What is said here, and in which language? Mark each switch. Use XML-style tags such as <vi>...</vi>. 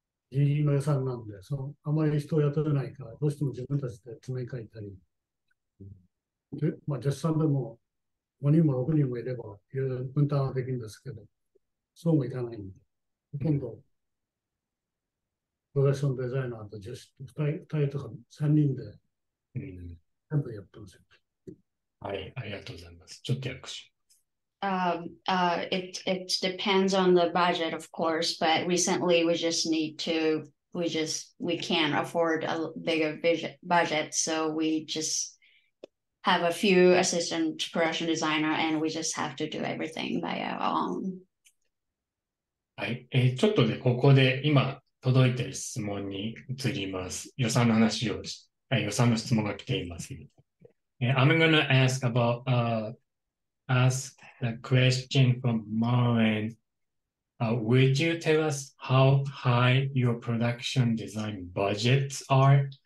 <ja>ギリギリの予算なんで、そのあまり人を雇えないから、どうしても自分たちで詰め替えたり、で、まあ助手さんでも5人も6人もいればいろいろ分担はできるんですけど、そうもいかないんで、ほとんどプロダクションデザイナーと女子2人とか3人で全部やってますよ。はい、ありがとうございます。ちょっと訳し。</ja> <en>It depends on the budget, of course, but recently we can't afford a bigger budget, so we just have a few assistant production designer and we just have to do everything by our own.</en> <ja>はい、ちょっとね、ここで今届いている質問に移ります。予算の話を、予算の質問が来ています。</ja> <en>I'm gonna ask about, ask the question from Maureen. Would you tell us how high your production design budgets are?</en>